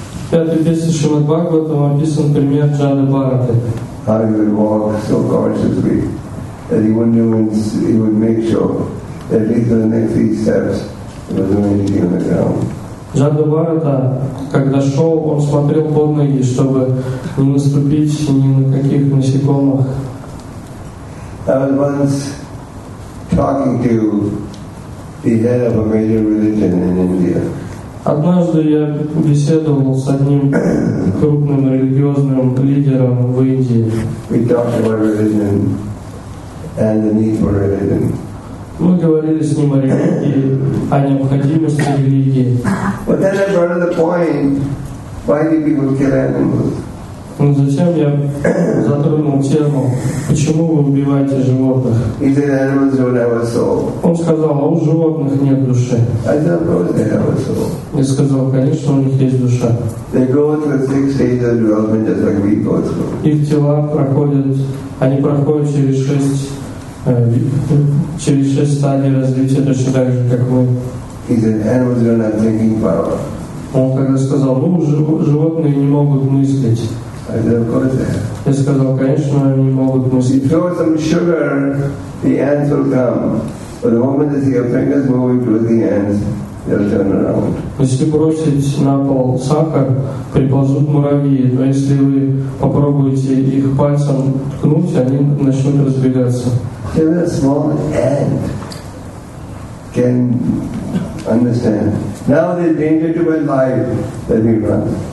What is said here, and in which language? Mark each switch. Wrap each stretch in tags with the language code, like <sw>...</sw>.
<ru>Пятый песен Шримад Бхагаватам описан пример Джады Бхараты.</ru> <en>How he would walk so cautiously that he would make sure that at least the next three steps was immediately on the ground.</en> <ru>Джада Бхарата, когда шел, он смотрел под ноги, чтобы не наступить ни на каких насекомых.</ru> <en>I was once talking to the head of a major religion in India.</en> <ru>Однажды я беседовал с одним крупным религиозным лидером в Индии.</ru> <en>We talked about religion and the need for religion.</en> <ru>Мы говорили с ним о религии, о необходимости религии.</ru> <en>But then I brought up the point, why do people kill animals?</en> <ru>Но затем я затронул тему, почему вы убиваете животных?</ru> <en>He said, animals don't have a soul.</en> <ru>Он сказал, а у животных нет души.</ru> <en>I said, of course they have a soul.</en> <ru>Я сказал, конечно, у них есть душа.</ru> <en>They go through six stages of development, just like we go through.</en> <ru>Их тела проходят, они проходят через шесть стадий развития, точно так же, как мы.</ru> <en>He said, animals don't have thinking power.</en> <ru>Он тогда сказал, ну, животные не могут мыслить.</ru> <en>I said, of course they</en> <ru>have. Я сказал, конечно, они могут мыслить.</ru> <en>If you throw some sugar, the ants will come. But the moment they see your fingers moving towards the ants, they'll turn around.</en> <ru>Если бросить на пол сахар, приползут муравьи. Но если вы попробуете их пальцем ткнуть, они начнут разбегаться.</ru> <en>Even a small ant can understand. Now there's danger to my life. Let me run.</en>